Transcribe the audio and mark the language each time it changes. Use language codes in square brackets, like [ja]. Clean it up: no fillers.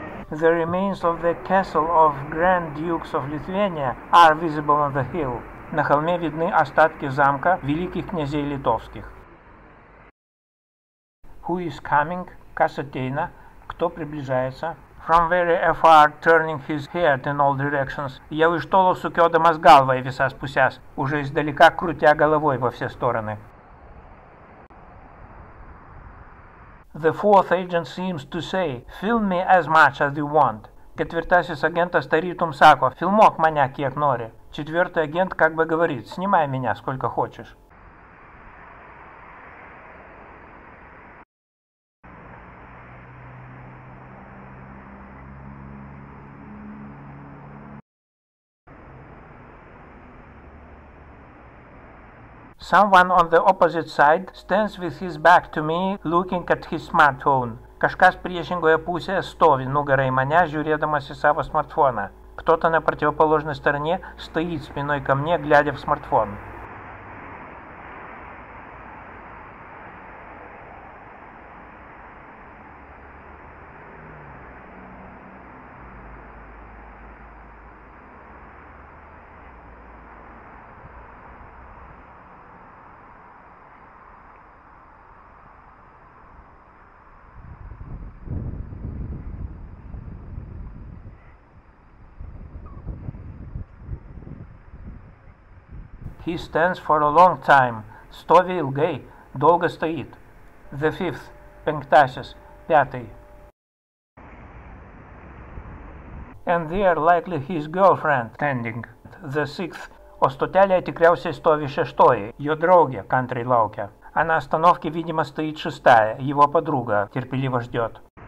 [en] The remains of the castle of Grand Dukes of Lithuania are visible on the hill. [ru] На холме видны остатки замка великих князей литовских. [en] Who is coming? [lt] Kas ateina? [ru] Кто приближается? [en] From very afar, turning his head in all directions. [lt] Jau iš tolo sukiodamas galvą į visas puses. [ru] Уже издалека крутя головой во все стороны. [en] The fourth agent seems to say, film me as much as you want. [lt] Ketvirtasis agentas tarytum sako, filmuok mane kiek nori. Četvirtas agent [ru] как бы говорит, снимай меня сколько хочешь. [en] Someone on the opposite side stands with his back to me, looking at his smartphone. [lt] Kažkas priešingoje pusėje stovi nugarai mane, žiūrėdamas į savo smartfoną. [ru] Kto-то на противоположной стороне стоит спиной ко мне, глядя в смартфон. [en] He stands for a long time. [lt] Stovi ilgai, [ru] долго стоит. [en] The fifth, [lt] penktasis, [ru] пятый. [en] And there likely his girlfriend standing. The sixth, [lt] o stotelėje tikriausiai stovi šeštoji, jo draugė, kantriai laukia. [ru] А на остановке, видимо, стоит шестая, его подруга, терпеливо ждет.